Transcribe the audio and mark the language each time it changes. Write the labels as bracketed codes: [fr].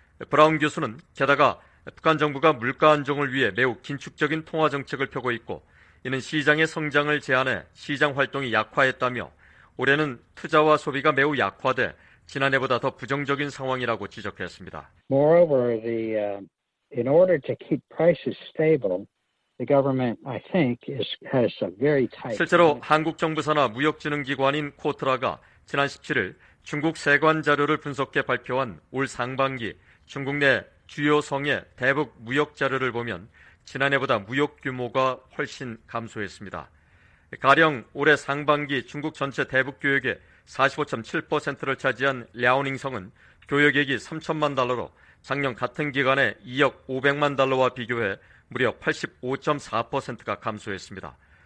[ko] 브라운 교수는 게다가 북한 정부가 물가 안정을 위해 매우 긴축적인 통화 정책을 펴고 있고 이는 시장의 성장을 제한해 시장 활동이 약화했다며 올해는 투자와 소비가 매우 약화돼 지난해보다 더 부정적인 상황이라고 지적했습니다. [en] Moreover, in order to keep prices stable, the government, I think, has a very tight. [ko] 실제로 한국 정부 산하 무역진흥기관인 코트라가 지난 17일 중국 세관 자료를 분석해 발표한 올 상반기 중국 내 주요 성의 대북 무역 자료를 보면 지난해보다 무역 규모가 훨씬 감소했습니다. 가령 올해 상반기 중국 전체 대북 교역의 45.7%를 차지한 랴오닝성은 교역액이 3천만 달러로 작년 같은 기간에 2억 500만 달러와 비교해 무려 85.4%가 감소했습니다.